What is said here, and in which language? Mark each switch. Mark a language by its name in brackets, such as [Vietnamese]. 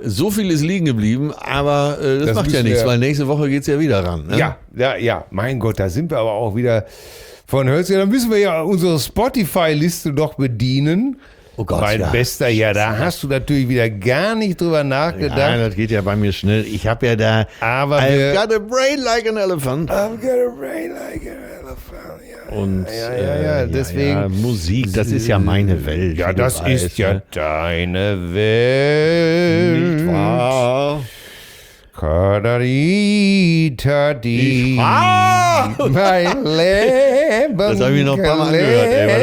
[German] So viel ist liegen geblieben, aber das macht ja nichts, weil nächste Woche geht es ja wieder ran. Ne? Ja. Mein Gott, da sind wir aber auch wieder von Hölzchen. Da müssen wir ja unsere Spotify-Liste doch bedienen. Oh Gott, mein Bester, ja, da hast du natürlich wieder gar nicht drüber nachgedacht. Nein, das geht ja bei mir schnell. Ich habe ja da. Aber [English] I've got a brain like an elephant. I've got a brain like an elephant, ja. [German] Und ja, deswegen. Ja, Musik, das ist ja meine Welt. Ja, das ist ja deine Welt. Nicht wahr? Mein Leben. Das habe ich noch ein paar Mal gehört, ey.